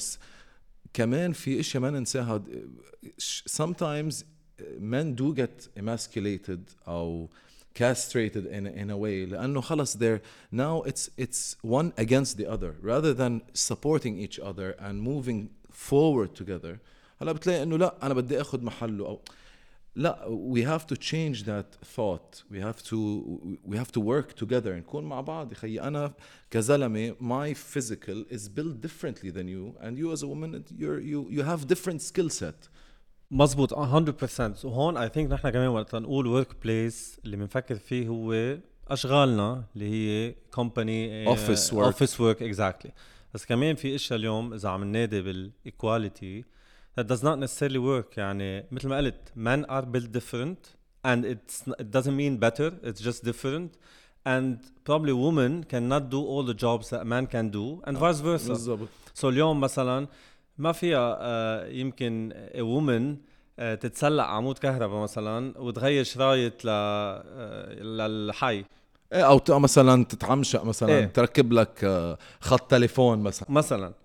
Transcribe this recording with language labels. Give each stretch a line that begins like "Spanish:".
Arabic: بس كمان في إشي ما ننساها,
English: sometimes men do get emasculated or castrated in a way,
Arabic: لأنه خلاص
English: there now it's one against the other rather than supporting each other and moving forward together.
Arabic: هلا بتلاقي إنه لا أنا بدي أخذ محله, أو لا,
English: we have to change that thought. We have to work together and
Arabic: كون مع بعض. خي أنا كزلمة,
English: my physical is built differently than you, and you as a woman you have different skill set.
Arabic: مظبوط 100%. وهون
English: I think
Arabic: نحن كمان وقت نقول workplace اللي بنفكر فيه هو أشغالنا اللي هي company,
English: office work exactly.
Arabic: بس كمان في إشي اليوم إذا عم ننادي بالequality,
English: that does not necessarily work.
Arabic: يعني مثل ما قلت,
English: men are built different and it doesn't mean better, it's just different. And probably women cannot do all the jobs that men can do and vice versa.
Arabic: So اليوم مثلا ما فيها يمكن
English: a woman
Arabic: تتسلق عمود كهرباء مثلا وتغير شرايط للحي, او مثلا تتعمشق مثلا, إيه؟ تركب لك خط تليفون مثلا.